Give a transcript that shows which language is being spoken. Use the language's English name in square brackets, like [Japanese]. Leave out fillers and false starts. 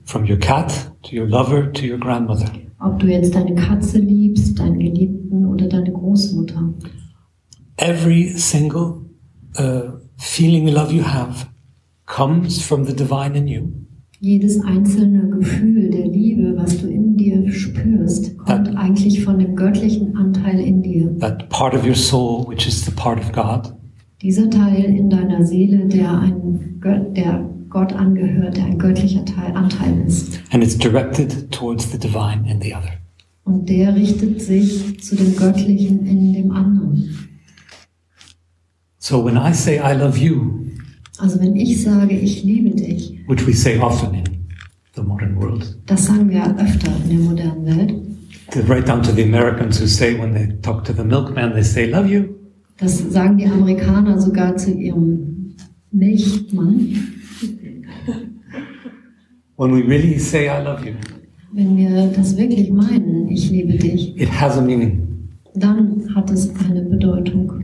[English] From your cat to your lover to your grandmother. [German] Ob du jetzt deine Katze liebst, deinen Geliebten oder deine Großmutter. [English] Every single feeling love you have comes from the divine in you. [German] Jedes einzelne Gefühl der Liebe, was du in dir spürst, kommt eigentlich von dem göttlichen Anteil in dir. [English] That part of your soul, which is the part of God. [German] Dieser Teil in deiner Seele, der Gott angehört, der ein göttlicher Anteil ist. [English] And it's directed towards the divine in the other. [German] Und der richtet sich zu dem Göttlichen in dem anderen. [English] So when I say I love you, [German] also wenn ich sage, ich liebe dich, [English] which we say often in the modern world, [German] das sagen wir öfter in der modernen Welt, [English] right down to the Americans who say when they talk to the milkman, they say love you. [German] Das sagen die Amerikaner sogar zu ihrem Milchmann. [English] When we really say I love you, [German] wenn wir das wirklich meinen, ich liebe dich, [English] it has a meaning. [German] Dann hat es eine Bedeutung.